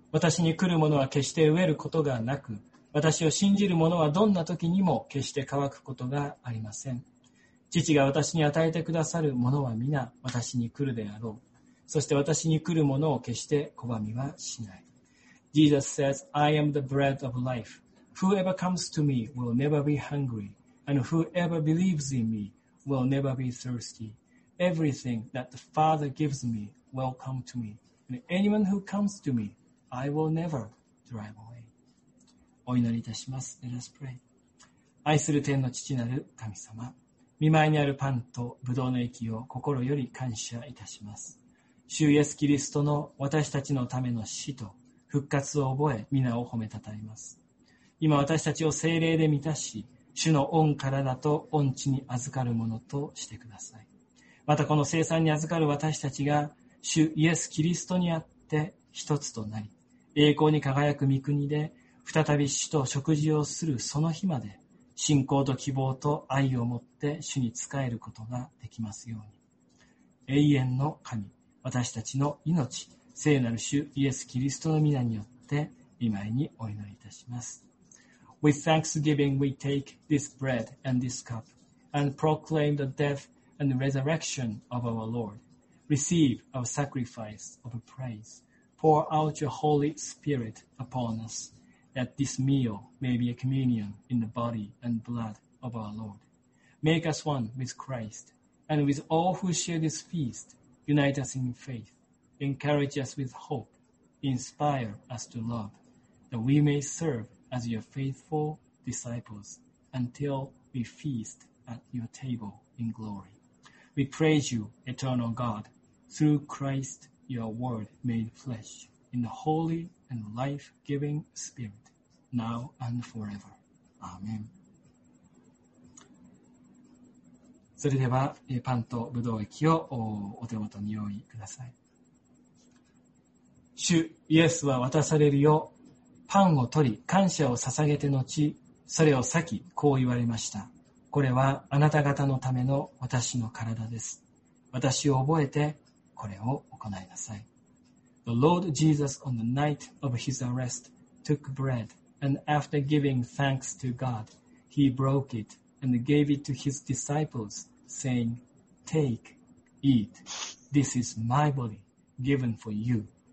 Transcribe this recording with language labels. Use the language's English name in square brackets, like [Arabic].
[Japanese] 私に来る者は決して飢えることがなく、私を信じる者はどんな時にも決して乾くことがありません。父が私に与えてくださる者は皆私に来るであろう。そして私に来る者を決して拒みはしない。 [English] Jesus says, I am the bread of life. Whoever comes to me will never be hungry, and whoever believes in meWill never be thirsty. Everything that the Father gives me will come to me. And anyone who comes to me, I will never drive away. [Japanese] お祈りいたします。 [English] Let us pray. [Japanese] 愛する天の父なる神様、御前にあるパンとブドウの液を心より感謝いたします。主イエスキリストの私たちのための死と復活を覚え、皆を褒めたたえます。今私たちを聖霊で満たし、主の御体と御血に預かるものとしてください。またこの聖餐に預かる私たちが主イエスキリストにあって一つとなり、栄光に輝く御国で再び主と食事をするその日まで、信仰と希望と愛を持って主に仕えることができますように、永遠の神、私たちの命、聖なる主イエス・キリストの御名によって御前にお祈りいたします。 [English] With thanksgiving we take this bread and this cup and proclaim the death and the resurrection of our Lord. Receive our sacrifice of praise. Pour out your Holy Spirit upon us, that this meal may be a communion in the body and blood of our Lord. Make us one with Christ and with all who share this feast. Unite us in faith. Encourage us with hope. Inspire us to love, that we may serve as your faithful disciples until we feast at your table in glory. We praise you, eternal God, through Christ, your word made flesh, in the holy and life-giving spirit, now and forever. Amen. [Japanese] それでは、パンとブドウ液をお手元に用意ください。主イエスは渡されるよ、パンを取り、感謝を捧げて後、それを裂き、こう言われました。これはあなた方のための私の体です。私を覚えてこれを行いなさい。 [English] The Lord Jesus on the night of his arrest took bread and after giving thanks to God, he broke it and gave it to his disciples saying, Take, eat, this is my body given for you.